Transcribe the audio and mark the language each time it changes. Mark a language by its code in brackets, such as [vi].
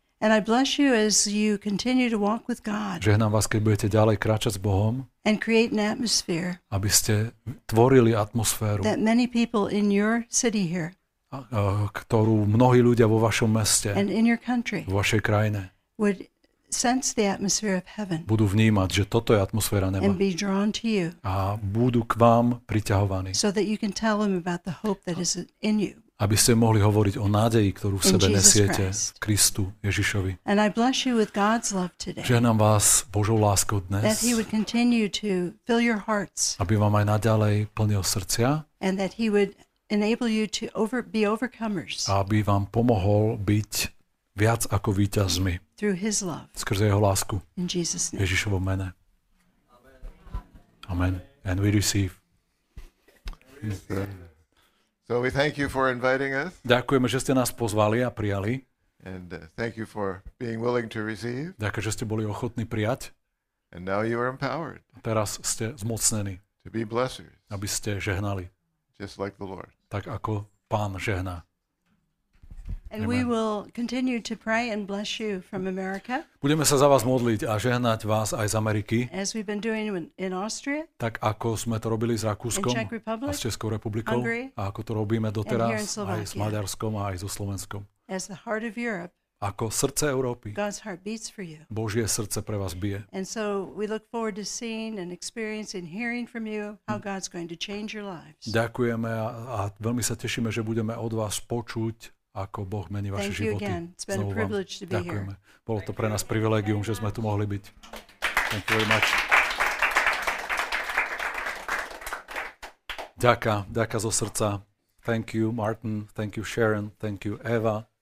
[en] And I bless you as you continue to walk with God. [sk] Žehnám vás, keď budete ďalej kráčať s Bohom. [en] And create an atmosphere. [sk] Aby ste tvorili atmosféru. [en] That many people in your city here. [sk] Ktorú mnohí ľudia vo vašom meste. [en] And in your country. [sk] Vo vašej krajine. [en] Would sense the atmosphere of heaven. [sk] Budú vnímať, že toto je atmosféra neba. [en] And be drawn to you. [sk] A budú k vám priťahovaní. [en] So that you can tell them about the hope that is in you. [sk] Aby ste mohli hovoriť o nádeji, ktorú v sebe nesiete, Kristu Ježišovi. [en] And I bless you with God's love today. [sk] Žehnám vás Božou láskou dnes. [en] That he would continue to fill your hearts. [sk] Aby vám aj naďalej plnil srdcia. [en] And that he would enable you to be overcomers. [sk] Aby vám pomohol byť viac ako víťazmi. [en] Through his love. [sk] Skrze jeho lásku. [en] In Jesus' name. [sk] Ježišovo mene. Amen. Amen. [en] And we receive. So we thank you for inviting us. [sk] Ďakujeme, že ste nás pozvali a prijali. [en] And thank you for being willing to receive. [sk] Ďakujem, že ste boli ochotní prijať. [en] And now you are empowered. [sk] Teraz ste zmocnení. [en] To be blessers. [sk] Aby ste žehnali. [en] Just like the Lord. [sk] Tak ako Pán žehná. [en] And we will continue to pray and bless you from America. [sk] Budeme sa za vás modliť a žehnať vás aj z Ameriky. [en] As we've been doing in Austria. [sk] Tak ako sme to robili s Rakúskom a s Českou republikou. A ako to robíme doteraz aj s Maďarskom a aj so Slovenskom. [en] As the heart of Europe. [sk] Ako srdce Európy. [en] God's heart beats for you. [sk] Božie srdce pre vás bije. [en] And so we look forward to seeing and experiencing and hearing from you how God's going to change your lives. [sk] Ďakujeme a veľmi sa tešíme, že budeme od vás počuť, ako Boh mení vaše životy. Znovu vám ďakujeme. Bolo to pre nás privilégium, že sme tu mohli byť. [en] Thank you very much. [sk] Ďaká zo srdca. [en] Thank you, Martin. Thank you, Sharon. Thank you, Eva.